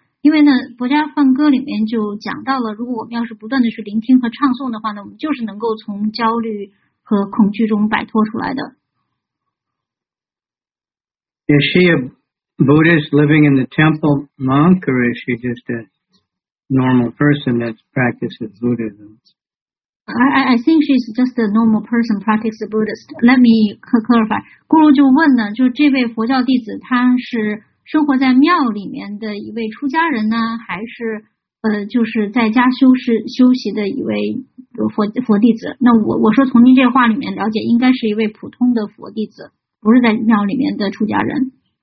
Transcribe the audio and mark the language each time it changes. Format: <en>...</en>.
<zh>因为呢，佛家梵歌里面就讲到了，如果我们要是不断的去聆听和唱诵的话呢，我们就是能够从焦虑和恐惧中摆脱出来的。</zh> <en>Is she a Buddhist living in the temple monk, or is she just a normal person that practices Buddhism? I think she's just a normal person practicing Buddhist. Let me clarify.</en> <zh>Guru 就问呢，就这位佛教弟子，他是生活在庙里面的一位出家人呢，还是就是在家休息的一位佛弟子？那我说从您这话里面了解，应该是一位普通的佛弟子，不是在庙里面的出家人。</zh>